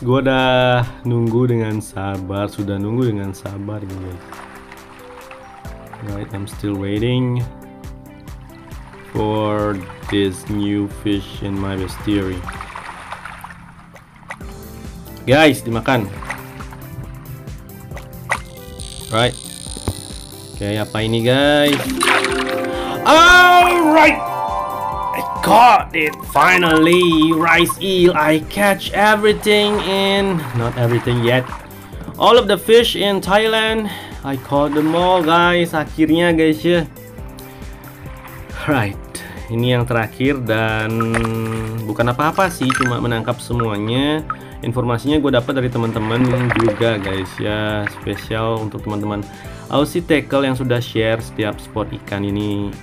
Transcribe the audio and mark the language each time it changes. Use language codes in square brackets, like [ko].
[id] Gua udah nunggu dengan sabar. Sudah nunggu dengan sabar ini guys. [en] Right, I'm still waiting for this new fish in my bestiary. [id] Guys, dimakan. [en] Right. Okay, [id] apa ini guys? [en] Alright, I caught it finally. Rice eel, I catch everything in, not everything yet, all of the fish in Thailand. I caught them all guys, [id] akhirnya guys ya. Right, ini yang terakhir dan bukan apa-apa sih, cuma menangkap semuanya. informasinya gue dapat dari teman-teman juga guys ya, spesial untuk teman-teman Aussie Tackle yang sudah share setiap spot ikan ini.